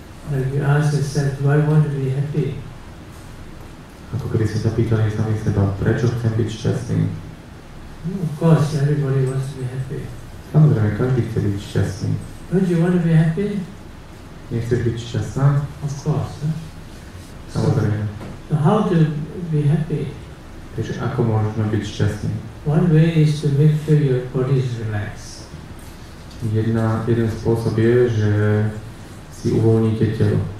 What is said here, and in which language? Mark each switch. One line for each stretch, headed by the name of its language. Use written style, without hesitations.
English: Like you ask yourself, do I want to be happy?
Slovak: Ako keby sme sa pýtali sami seba, prečo chcem byť šťastný?
English: No, of course, everybody wants to be happy.
Slovak: Samozrejme, každý chce byť šťastný.
English: Don't you want to be happy?
Slovak: Nechceš byť šťastná?
English: Of course. Huh?
Slovak: Samozrejme.
English: So how to be happy?
Slovak: Takže ako môžeme byť šťastný?
English: One way is to make sure your body is relaxed.
Slovak: Jeden spôsob je, že si uvoľníte telo.